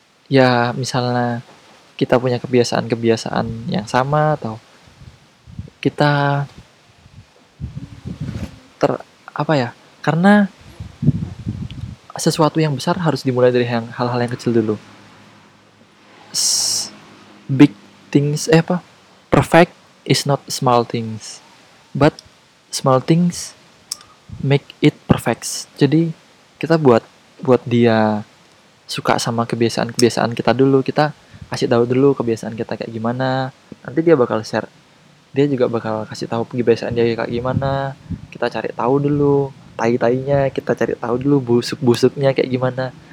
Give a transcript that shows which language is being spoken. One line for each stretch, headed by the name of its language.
Indonesian: Ya misalnya kita punya kebiasaan-kebiasaan yang sama, atau kita apa ya, karena sesuatu yang besar harus dimulai dari yang, hal-hal yang kecil dulu.
English: Big things, perfect is not small things, but small things make it perfect.
Indonesian: Jadi kita buat dia suka sama kebiasaan-kebiasaan kita dulu, kita kasih tahu dulu kebiasaan kita kayak gimana, nanti dia bakal share, dia juga bakal kasih tahu kebiasaan dia kayak gimana. Kita cari tahu dulu tai-tainya, kita cari tahu dulu busuk-busuknya kayak gimana.